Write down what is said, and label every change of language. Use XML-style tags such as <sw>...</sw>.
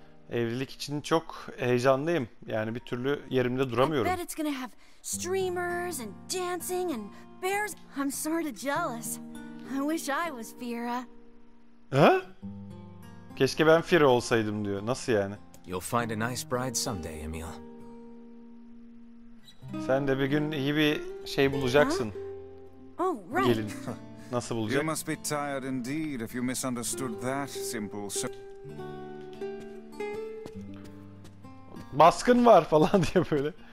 <tr>Evlilik için çok heyecanlıyım. Yani bir türlü yerimde duramıyorum.</tr> <en>Streamers and dancing and bears. I'm sort of jealous. I wish I was Fira. Huh?</en> <tr>Keşke ben Fira olsaydım diyor. Nasıl yani?</tr> <en>You'll find a nice bride someday, Emil.</en> <tr>Sen de bir gün iyi bir şey bulacaksın.</tr> <en>Oh, right.</en> <tr>Gelin. Nasıl bulacak?</tr> <en>You must be tired indeed if you misunderstood that simple.</en> <tr>Baskın var falan diye böyle.</tr>